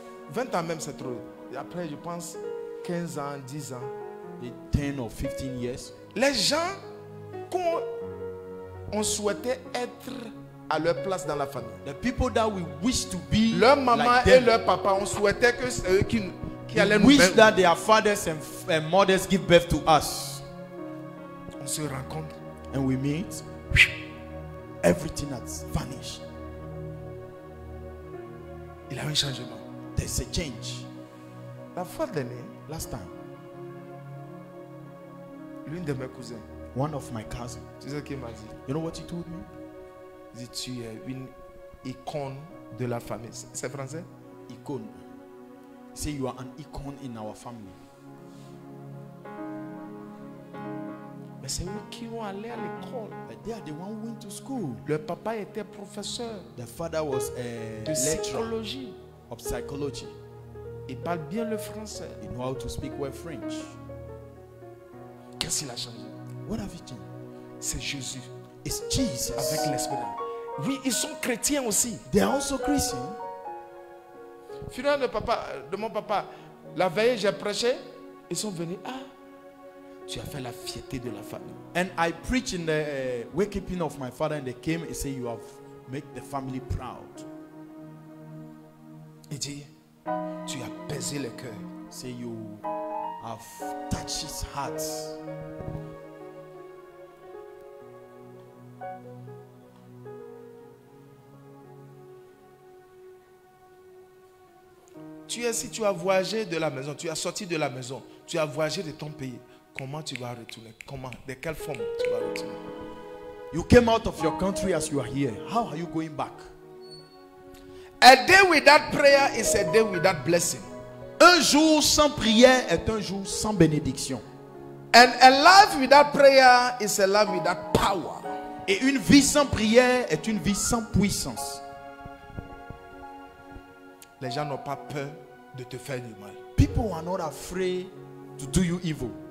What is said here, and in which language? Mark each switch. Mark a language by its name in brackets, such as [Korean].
[French] 20 ans même c'est trop. Après je pense 15 ans, 10 ans, [English] et 10 or 15 years. [French] Les gens qu'on souhaitait être à leur place dans la famille. [English] The people that we wish to be, [French] leur maman [English] like them, [French] et leur papa, on souhaitait que c'est eux qui allaient nous. [English] Wish that their fathers and mothers give birth to us. [French] On se rencontre, [English] and we meet. Everything has vanished. [French] Il y a un changement. [English] There's a change. [French] La fois dernière, [English] last time, [French] l'une de mes cousins, [English] one of my cousins, [French] tu sais ce qu'il m'a dit. [English] You know what he told me? [French] Dit, tu es une icône de la famille. C'est français? Icône. [English] Say you are an icon in our family. [French] Mais c'est eux qui ont allé à l'école. [English] But they are the one who went to school. [French] Le papa était professeur. [English] The father was a [French] de psychologie. [English] Of psychology. [French] Il parle bien le français. [English] He knows how to speak well French. [French] Qu'est-ce qu'il a changé? [English] What have you done? [French] C'est Jésus. [English] It's Jesus. [French] Avec l'espérance. Oui, ils sont chrétiens aussi. [English] They are also Christian. [French] Finalement, de mon papa, la veille, j'ai prêché. Ils sont venus. Ah, tu as fait la fierté de la famille. [English] And I preached in the wakekeeping of my father, and they came and said, you have made the family proud. [French] Il dit, tu as pesé le cœur. [English] Say, you have touched his heart. [French] Tu es, si tu as voyagé de la maison, tu as sorti de la maison, tu as voyagé de ton pays, comment tu vas retourner? Comment? De quelle forme tu vas retourner? [English] You came out of your country as you are here. How are you going back? A day without prayer is a day without blessing. [French] Un jour sans prière est un jour sans bénédiction. [English] And a life without prayer is a life without power. [French] Et une vie sans prière est une vie sans puissance. Les gens n'ont pas peur de te faire du mal. [English] people are not afraid to do you evil.